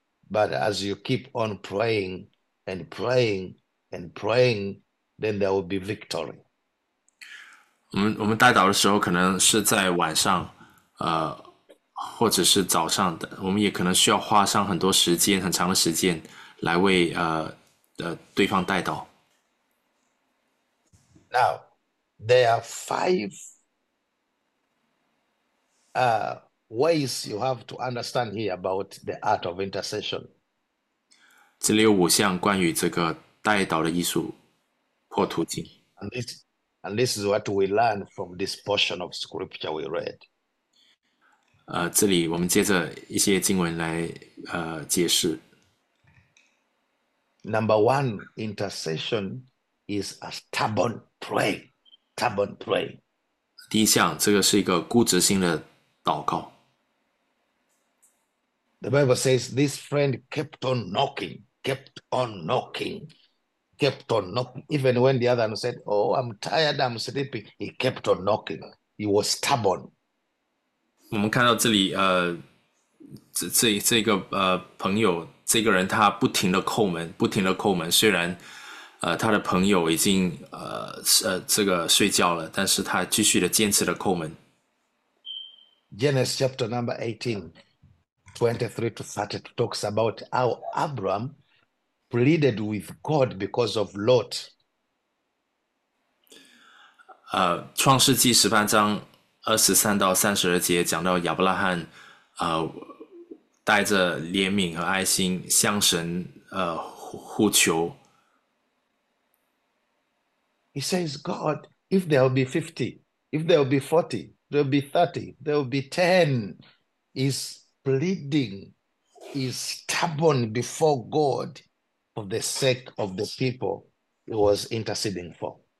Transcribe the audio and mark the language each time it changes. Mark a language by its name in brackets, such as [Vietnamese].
[English] But as you keep on praying and praying and praying, then there will be victory. [Chinese] 我们代祷的时候，可能是在晚上，或者是早上的，我们也可能需要花上很多时间，很长的时间，来为对方代祷。 [English] Now, there are five ways you have to understand here about the art of intercession. [Chinese] 这里有5项关于这个代祷的艺术或途径。 [English] And this is what we learn from this portion of scripture we read. [Chinese] 这里我们接着一些经文来解释。 [English] Number one, intercession is a stubborn prayer. Stubborn prayer. [Chinese] 第一项，这个是一个固执性的祷告。 [English] The Bible says this friend kept on knocking, kept on knocking, kept on knocking. Even when the other one said, "Oh, I'm tired, I'm sleepy," he kept on knocking. He was stubborn. [Chinese] 我们看到这里，这个朋友，这个人他不停的叩门，不停的叩门。虽然，他的朋友已经这个睡觉了，但是他继续的坚持的叩门。 [English] Genesis chapter number 18, 23 to 30 talks about how Abram pleaded with God because of Lot. [Chinese] 创世纪18:23-32讲到亚伯拉罕，带着怜悯和爱心向神呼求。 [English] He says, God, if there will be 50, if there will be 40, there will be 30, there will be 10. He's pleading, he's stubborn before God for the sake of the people he was interceding for.